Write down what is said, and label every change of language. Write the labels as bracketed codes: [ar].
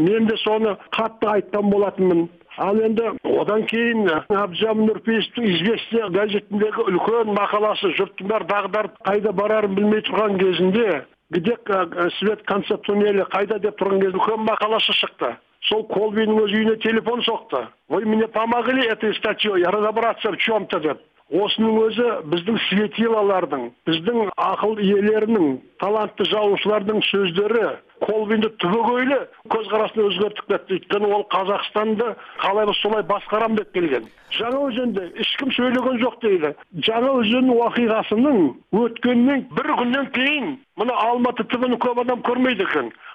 [kk] Мен де соны қатты айтқан болатынмын. Ал енді одан кейін Абдыжамал Нұрпейісовтің «Известия» газетіндегі үлкен мақаласы жұрттың бәрі дағдарып қайда барарын білмей тұрған кезінде [ru] «Где свет конца туннеля [kk] қайда» деп тұрған кезінде үлкен мақаласы шықты. Сол Колбинің өз үйіне телефон соқты. [ru] «Вы мне помогли этой статьей разобраться в чем-то» деп. [kk] Осының өзі біздің светилалардың, біздің ақыл иелерінің, талантты жазушылардың сөздері Колбинді түбегейлі көзқарасын өзгертіп кетті. Өйткені ол Қазақстанды қалай солай басқарам деп келген. Жаңа өзенде ешкім сөйлеген жоқ дейді. Жаңа өзеннің уақиғасының өткеннен бір күннен кейін мына Алматы түбін көп адам көрмейді екен.